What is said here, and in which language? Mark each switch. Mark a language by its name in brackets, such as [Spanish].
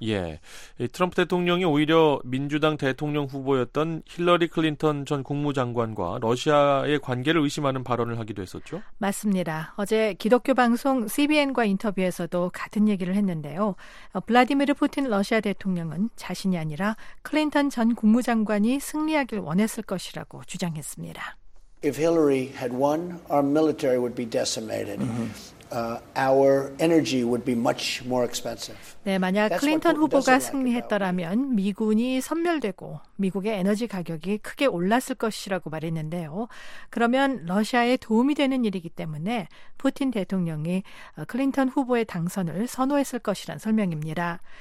[Korean] 예, 트럼프 대통령이 오히려 민주당 대통령 후보였던 힐러리 클린턴 전 국무장관과 러시아의 관계를 의심하는 발언을 하기도 했었죠? 맞습니다. 어제 기독교 방송 CBN과 인터뷰에서도 같은 얘기를 했는데요. 블라디미르 푸틴 러시아 대통령은 자신이 아니라 클린턴 전 국무장관이 승리하길 원했을 것이라고 주장했습니다. [English] If Hillary had won, our military would be decimated. Our energy would be much more expensive. [Korean] 네, 만약 클린턴 후보가 승리했더라면 미군이 섬멸되고 미국의 에너지 가격이 크게 올랐을 것이라고 말했는데요. 그러면 러시아에 도움이 되는 일이기 때문에 푸틴 대통령이 클린턴 후보의 당선을 선호했을 것이란 설명입니다.